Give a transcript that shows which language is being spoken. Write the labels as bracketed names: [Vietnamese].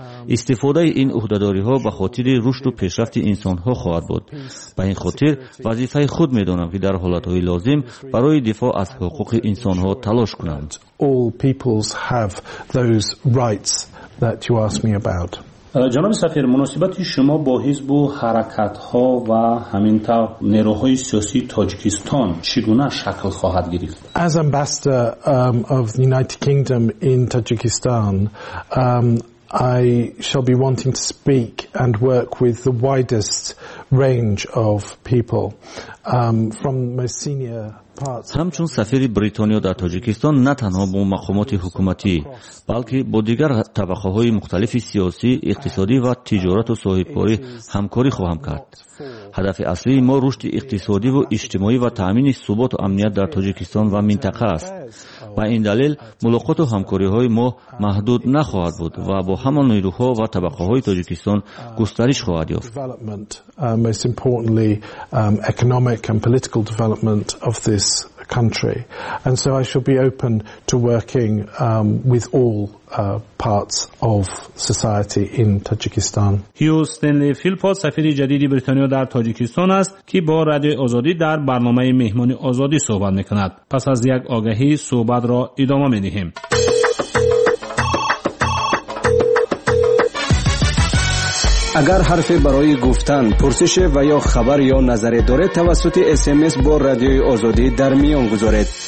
[Persian] استفاده این عهده‌داری‌ها به خاطر رشد و پیشرفت انسان‌ها خواهد بود. به این خاطر وظیفه خود می‌دانم که در حالت‌های لازم برای دفاع از حقوق انسان‌ها تلاش کنم. [English] All peoples have those rights that you asked me about. [Persian] جناب سفیر، مناسبت شما با حزب و حرکت‌ها و همینطور نیروهای سیاسی تاجیکستان چگونه شکل خواهد گرفت؟ [English] As ambassador of the United Kingdom in Tajikistan, I shall be wanting to speak and work with the widest range of people from most senior parts. [Persian] همچون سفیر بریتانیا در تاجیکستان نه تنها با مقامات حکومتی بلکه با دیگر طبقه های مختلف سیاسی، اقتصادی و تجارت و صاحبکاری همکاری خواهم کرد. هدف اصلی ما رشد اقتصادی و اجتماعی و تامین ثبات و امنیت در تاجیکستان و منطقه است. با این دلیل ملاقات و همکاری های ما محدود نخواهد بود و با همان نیروها و طبقه های تاجیکستان گسترش خواهد یافت. [English] Most importantly, economic and political development of this country. And so I shall be open to working with all parts of society in Tajikistan. [Persian] هیو استنلی فیلپوت سفیر جدید بریتانیا در تاجیکستان است که با رادیو آزادی در برنامه مهمان آزادی صحبت میکند. پس از یک آگهی صحبت را ادامه میدهیم. اگر حرفی برای گفتن، پرسش و یا خبر یا نظری دارید، توسط SMS با رادیوی آزادی در میان گذارید.